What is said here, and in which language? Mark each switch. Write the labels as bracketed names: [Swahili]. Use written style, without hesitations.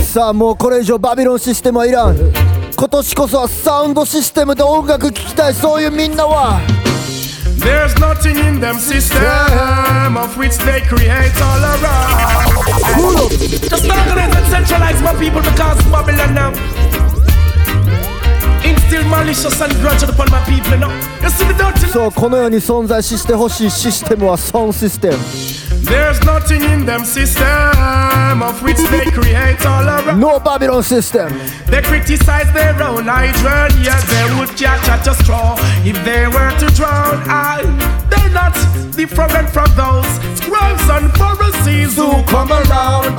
[Japanese] さあもうこれ以上バビロンシステムはいらん。今年こそはサウンドシステムで音楽聴きたい。そういうみんなは [English] There's nothing in them system of which they create all around. Just organize and centralize my people because Babylon now instill malicious and grudge upon my people now. You see me don't you know. [Japanese] そうこの世に存在してほしいシステムはサウンドシステム。 [English] There's nothing in them system of which they create all around. No Babylon system. They criticize their own hydrant. Yes, they would catch at a straw if they were to drown. They're not different from those scribes and Pharisees who come around.